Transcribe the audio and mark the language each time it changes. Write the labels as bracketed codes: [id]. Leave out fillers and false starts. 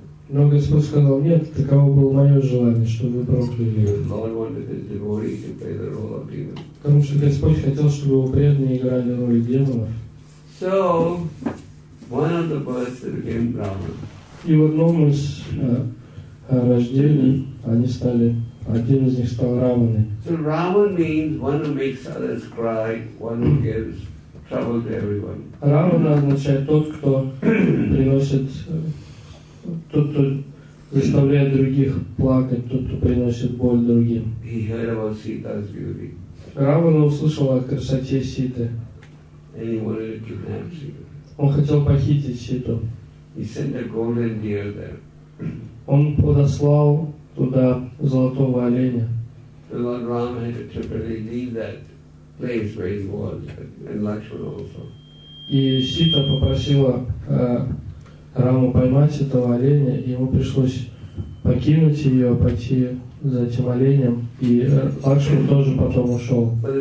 [ru] Но Господь сказал, нет, таково было мое желание, чтобы вы прокляли. Потому что Господь хотел, чтобы его преданные играли роль демонов. [en] So, one of the births became Brahman. [ru] И в одном из рождений они стали, один из них стал Раманой. [en] So Raman means one who makes others cry, one who gives trouble to everyone. [ru] Равана означает тот, кто приносит, тот, кто заставляет других плакать, тот, кто приносит боль другим. [en] He heard about Sita's beauty. [ru] Равана услышал о красоте Ситы. [en] And he wanted to kidnap Sita. [ru] Он хотел похитить Ситу. [en] He sent a golden deer there. [ru] Он подослал туда золотого оленя. [en] The Lord Rama had to temporarily leave that place where he was, and Lakshmana also. [ru] И Сита попросила Раму поймать этого оленя, и ему пришлось покинуть ее, пойти за этим оленем, и Лакшман тоже потом ушел.